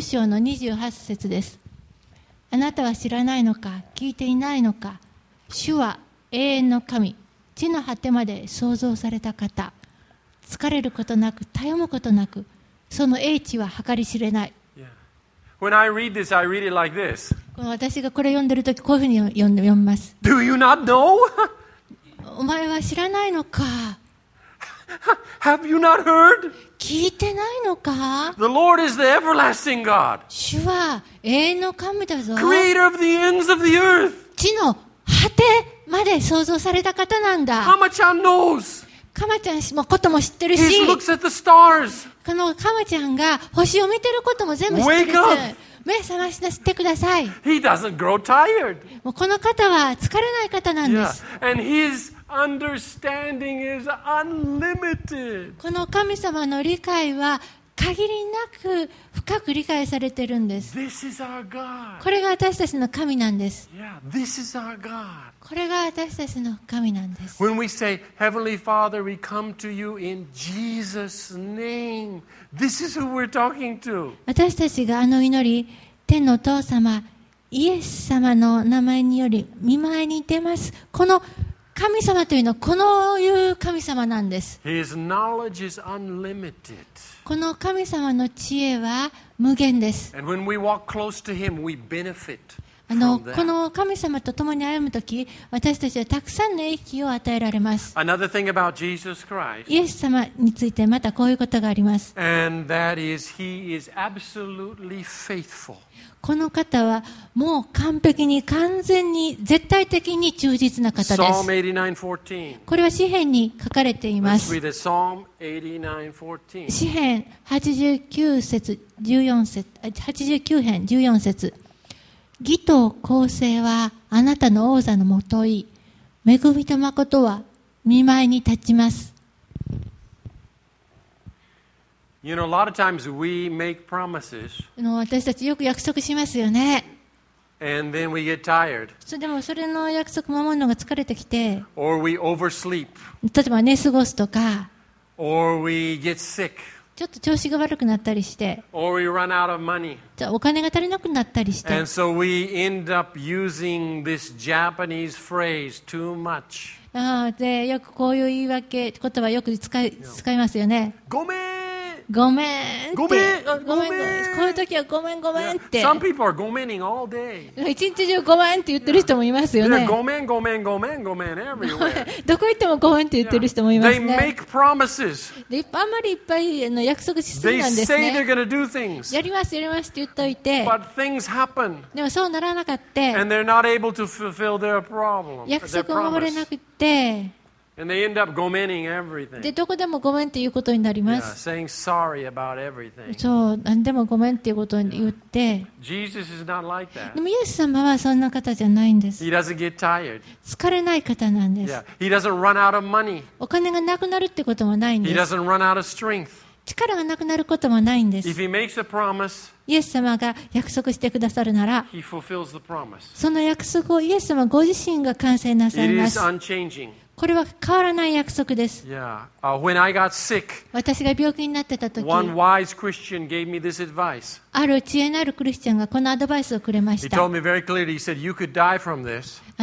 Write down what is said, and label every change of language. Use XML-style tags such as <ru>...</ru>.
<ja>章の28節です。あなたは知らないのか、聞いていないのか。主は永遠の神、地の果てまで創造された方。疲れることなく、たゆむことなく、その英知は計り知れない。</ja> <en>When I read this, I read it like this.</en> <ja>私がこれ読んでるとき、こういうふうに読みます。</ja> <en>Do you not know?</en> <ja>お前は知らないのか。</ja> <en>Have you not heard?</en> <ja>聞いてないのか?</ja> <en>The Lord is the everlasting God.</en> <ja>主は永遠の神だぞ。</ja> <en>Creator of the ends of the earth.</en> <ja>地の果てまで創造された方なんだ。</ja> <en>Hama-chan knows.</en> <ja>Kama ちゃんのことも知ってるし。</ja> <en>He looks at the stars.</en> <ja>この Kama ちゃんが星を見てることも全部知ってるし。</ja> <en>Wake up.</en> <ja>目覚ましてください。</ja> <en>He doesn't grow tired.</en> <ja>もうこの方は疲れない方なんです。</ja> <en>Yeah. And he'sUnderstanding is unlimited.</en> <ja>この神様の理解は限りなく深く理解されてるんです。</ja> <en>This is our God.</en> <ja>これが私たちの神なんです。</ja> <en>Yeah, this is our God.</en> <ja>これが私たちの神なんです。</ja> <en>When we say, Heavenly Father, we come to you in Jesus' name. This is who we're talking to.</en> <ja>私たちがあの祈り、天のお父様、イエス様の名前により御前に出ます。この神様というのはこのいう神様なんです。</ja> <en>His knowledge is unlimited.</en> <ja>この神様の知恵は無限です。</ja> <en>And when we walk close to him, we benefit.</en> <ja>この神様と共に歩むとき、私たちはたくさんの益を与えられます。</ja> <en>Another thing about Jesus Christ.</en> <ja>イエス様についてまたこういうことがあります。</ja> <en>And that is, he is absolutely faithful.</en> <ja>この方はもう完璧に、完全に、絶対的に忠実な方です。</ja> <en>Psalm 89:14.</en> <ja>これは詩編に書かれています。</ja> <en>Let's read it. Psalm 89:14.</en> <ja>詩編89編14節。義と公正はあなたの王座のもとい、恵みと誠は御前に立ちます。</ja> <en>You know, a lot of times we make promises.</en> <ja>私たちよく約束しますよね。</ja> <en>And then we get tired.</en> <ja>でもそれの約束守るのが疲れてきて。</ja> <en>Or we oversleep.</en> <ja>例えば寝過ごすとか。</ja> <en>Or we get sick.</en> <ja>ちょっと調子が悪くなったりして、じゃあお金が足りなくなったりして、</ja> <en>so、we end up using this Japanese phrase, too much.</en> <ja>でよくこういう言い訳言葉よく使いますよね。ごめん。ごめん。ごめん。ごめん。こういう時はごめんごめんって。</ja> <en>Yeah. Some people are gomening all day.</en> <ja>一日中ごめんって言ってる人もいますよね。ごめんごめんごめんごめん</ja> <en>everywhere.</en> <ja>どこ行ってもごめんって言ってる人もいますね。</ja> <en>They make promises.</en> <ja>あんまりいっぱい約束しすぎなんですね。</ja> <en>They say they're going to do things.</en> <ja>やりますやりますって言っといて。</ja> <en>But things happen.</en> <ja>でもそうならなかった。</ja> <en>And they're not able to fulfill their problem.</en> <ja>約束を守れなくて。</ja> <en>And they end up gomenting everything.</en> <ja>でどこでもごめんっていうことになります。</ja> <en>Yeah, saying sorry about everything.</en> <ja>そう、何でもごめんっていうことに言って。</ja> <en>Jesus is not like that.</en> <ja>でもイエス様はそんな方じゃないんです。</ja> <en>He doesn't get tired.</en> <ja>疲れない方なんです。</ja> <en>Yeah. He doesn't run out of money.</en> <ja>お金がなくなるってこともないんです。</ja> <en>He doesn't run out of strength.</en> <ja>力がなくなることもないんです。</ja> <en>If he makes a promise,</en> <ja>イエス様が約束してくださるなら、</ja> <en>he fulfills the promise.</en> <ja>その約束をイエス様ご自身が完成なさいます。</ja> <en>It is unchanging.</en> <ja>これは変わらない約束です。</ja> <en>Yeah. When I got sick,</en> <ja>私が病気になってた時、</ja> <en>one wise Christian gave me this advice.</en> <ja>ある知恵のあるクリスチャンがこのアドバイスをくれました。</ja> <en>He told me very clearly, he said, you could die from this.</en>